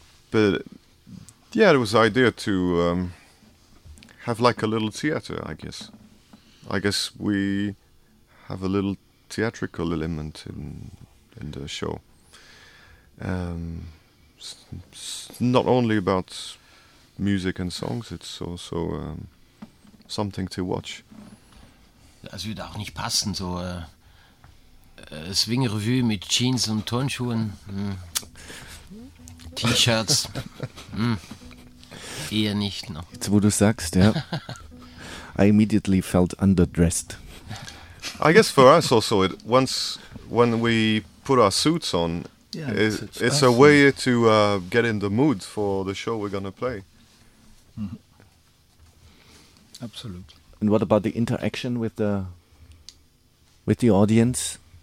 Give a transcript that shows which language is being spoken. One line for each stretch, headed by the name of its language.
English: But yeah, it was the idea to have like a little theater, I guess we have a little theatrical element in the show. It's not only about music and songs, it's also something to watch.
German: Das würde auch nicht passen, so Swing Revue mit Jeans und Turnschuhen, T-Shirts, eher nicht noch. Jetzt wo du sagst, ja,
English: I immediately felt underdressed. I guess for us also, when we put our suits on, yeah, it's a way to get in the mood for the show we're going to play. Mm-hmm. Absolutely. And what about the interaction with the audience?